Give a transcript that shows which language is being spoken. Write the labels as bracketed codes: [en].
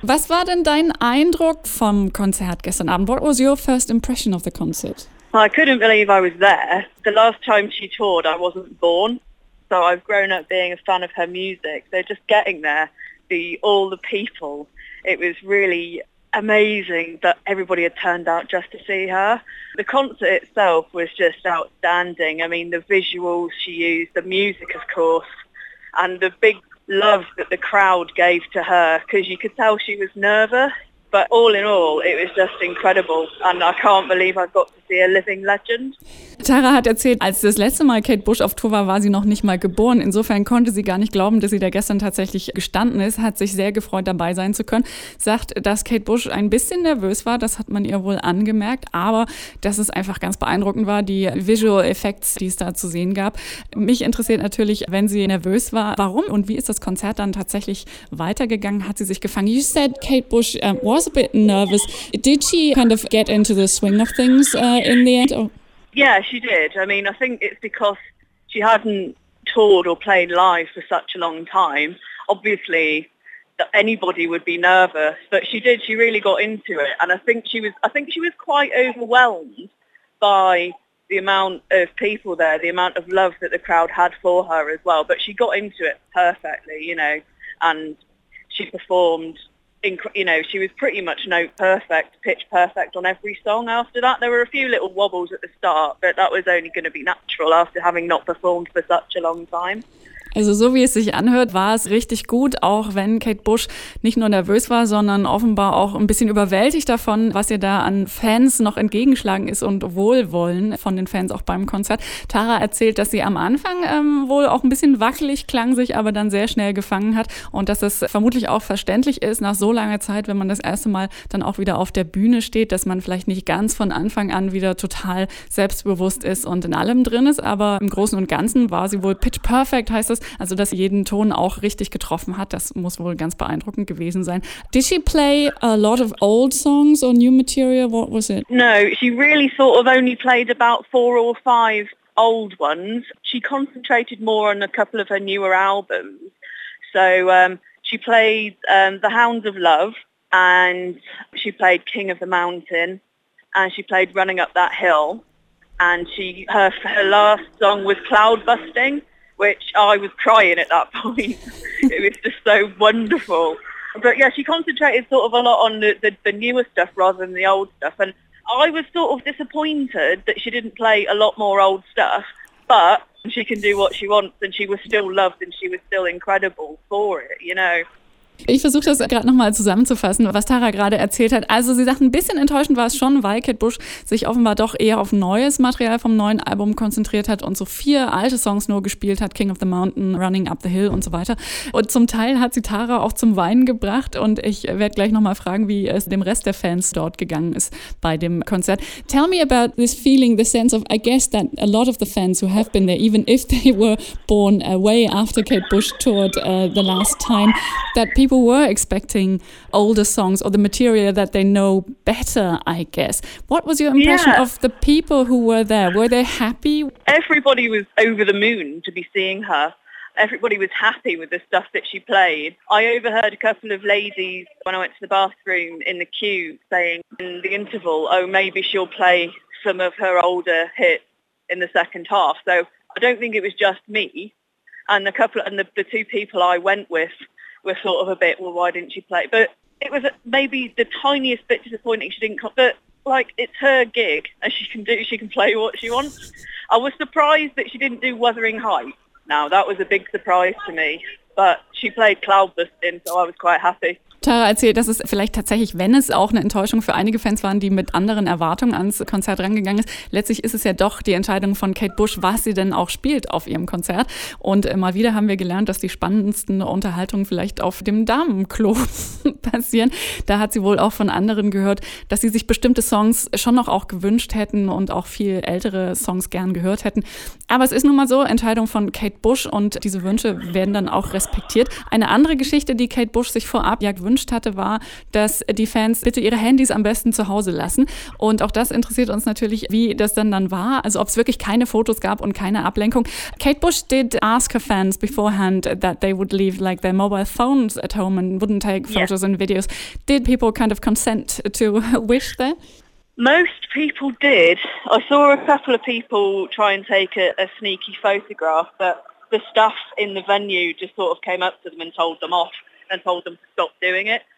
[de] Was war denn dein Eindruck vom Konzert gestern Abend? [en] What was your first impression of the concert? Well, I couldn't believe I was there. The last time she toured, I wasn't born. So I've grown up being a fan of her music. So just getting there, all the people, it was really amazing that everybody had turned out just to see her. The concert itself was just outstanding. I mean, the visuals she used, the music, of course, and the big love that the crowd gave to her, because you could tell she was nervous, but all in all, it was just incredible, and I can't believe I got to see a living legend. [de] Tara hat erzählt, als das letzte Mal Kate Bush auf Tour war, war sie noch nicht mal geboren. Insofern konnte sie gar nicht glauben, dass sie da gestern tatsächlich gestanden ist, hat sich sehr gefreut, dabei sein zu können. Sagt, dass Kate Bush ein bisschen nervös war, das hat man ihr wohl angemerkt, aber dass es einfach ganz beeindruckend war, die Visual Effects, die es da zu sehen gab. Mich interessiert natürlich, wenn sie nervös war, warum und wie ist das Konzert dann tatsächlich weitergegangen? Hat sie sich gefangen? [en] You said Kate Bush was a bit nervous. Did she kind of get into the swing of things in the end? Oh. Yeah, she did. I mean, I think it's because she hadn't toured or played live for such a long time. Obviously, anybody would be nervous, but she did. She really got into it. And I think she was quite overwhelmed by the amount of people there, the amount of love that the crowd had for her as well. But she got into it perfectly, you know, and she performed. You know, she was pretty much note perfect, pitch perfect on every song after that. There were a few little wobbles at the start, but that was only going to be natural after having not performed for such a long time. [de] Also so wie es sich anhört, war es richtig gut, auch wenn Kate Bush nicht nur nervös war, sondern offenbar auch ein bisschen überwältigt davon, was ihr da an Fans noch entgegenschlagen ist und Wohlwollen von den Fans auch beim Konzert. Tara erzählt, dass sie am Anfang wohl auch ein bisschen wackelig klang, sich aber dann sehr schnell gefangen hat und dass es vermutlich auch verständlich ist, nach so langer Zeit, wenn man das erste Mal dann auch wieder auf der Bühne steht, dass man vielleicht nicht ganz von Anfang an wieder total selbstbewusst ist und in allem drin ist, aber im Großen und Ganzen war sie wohl [en] pitch perfect, [de] heißt das. Also, dass sie jeden Ton auch richtig getroffen hat, das muss wohl ganz beeindruckend gewesen sein. [en] Did she play a lot of old songs or new material? What was it? No, she really sort of only played about four or five old ones. She concentrated more on a couple of her newer albums. So she played The Hounds of Love and she played King of the Mountain and she played Running Up That Hill. And her last song was Cloud Busting, which I was crying at that point. It was just so wonderful. But yeah, she concentrated sort of a lot on the newer stuff rather than the old stuff. And I was sort of disappointed that she didn't play a lot more old stuff, but she can do what she wants and she was still loved and she was still incredible for it, you know. [de] Ich versuche das gerade nochmal zusammenzufassen, was Tara gerade erzählt hat. Also sie sagt, ein bisschen enttäuschend war es schon, weil Kate Bush sich offenbar doch eher auf neues Material vom neuen Album konzentriert hat und so vier alte Songs nur gespielt hat, King of the Mountain, Running Up the Hill und so weiter. Und zum Teil hat sie Tara auch zum Weinen gebracht und ich werde gleich nochmal fragen, wie es dem Rest der Fans dort gegangen ist bei dem Konzert. [en] Tell me about this feeling, the sense of, I guess that a lot of the fans who have been there, even if they were born way after Kate Bush toured the last time, that people were expecting older songs or the material that they know better, I guess. What was your impression of the people who were there? Were they happy? Everybody was over the moon to be seeing her. Everybody was happy with the stuff that she played. I overheard a couple of ladies when I went to the bathroom in the queue saying in the interval, oh, maybe she'll play some of her older hits in the second half. So I don't think it was just me. And the two people I went with were sort of a bit, well, why didn't she play? But it was maybe the tiniest bit disappointing she didn't come. But, like, it's her gig, and she can play what she wants. I was surprised that she didn't do Wuthering Heights. Now, that was a big surprise to me. But she played Cloudbusting, so I was quite happy. [de] Tara erzählt, dass es vielleicht tatsächlich, wenn es auch eine Enttäuschung für einige Fans waren, die mit anderen Erwartungen ans Konzert rangegangen ist, letztlich ist es ja doch die Entscheidung von Kate Bush, was sie denn auch spielt auf ihrem Konzert. Und mal wieder haben wir gelernt, dass die spannendsten Unterhaltungen vielleicht auf dem Damenklo passieren. Da hat sie wohl auch von anderen gehört, dass sie sich bestimmte Songs schon noch auch gewünscht hätten und auch viel ältere Songs gern gehört hätten. Aber es ist nun mal so, Entscheidung von Kate Bush und diese Wünsche werden dann auch respektiert. Eine andere Geschichte, die Kate Bush sich vorab ja gewünscht gewünscht hatte, war, dass die Fans bitte ihre Handys am besten zu Hause lassen. Und auch das interessiert uns natürlich, wie das dann war. Also ob es wirklich keine Fotos gab und keine Ablenkung. [en] Kate Bush did ask her fans beforehand that they would leave like their mobile phones at home and wouldn't take photos and videos. Did people kind of consent to wish that? Most people did. I saw a couple of people try and take a sneaky photograph, but the staff in the venue just sort of came up to them and told them off and told them to stop doing it.